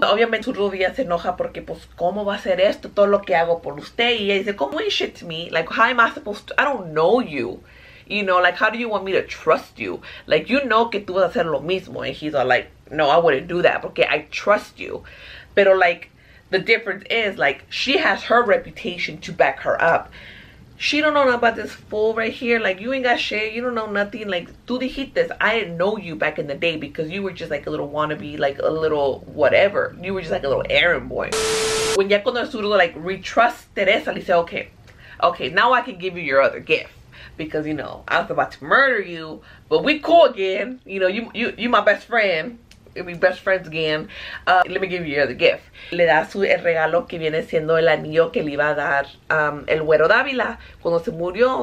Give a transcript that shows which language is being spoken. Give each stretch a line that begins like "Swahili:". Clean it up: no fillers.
Spanish: Obviamente, su rubia se enoja porque, pues, ¿cómo va a ser esto? Todo lo que hago por usted. Y ella dice, ¿cómo
English: is shit to me? Like, how am I supposed to? I don't know you. You know, like, how do you want me to trust you? Like, you know
Spanish: que tú vas a hacer lo mismo.
English: And he's all like, no, I wouldn't do that because I trust you. Pero, like, the difference is, like, she has her reputation to back her up. She don't know about this fool right here. Like, you ain't got shit. You don't know nothing. Like,
Spanish: tú dijiste
English: this. I didn't know you back in the day because you were just, like, a little wannabe, like, a little whatever. You were just, like, a little errand boy. When
Spanish: ya cuando el surdo,
English: like, retrust Teresa,
Spanish: le dice,
English: okay, okay, now I can give you your other gift. Because, you know, I was about to murder you, but we cool again. You know, you my best friend. It'll be best friends again. Let me give you the gift.
Spanish: Le da su el regalo que viene siendo el anillo que le iba a dar el güero Dávila cuando se murió.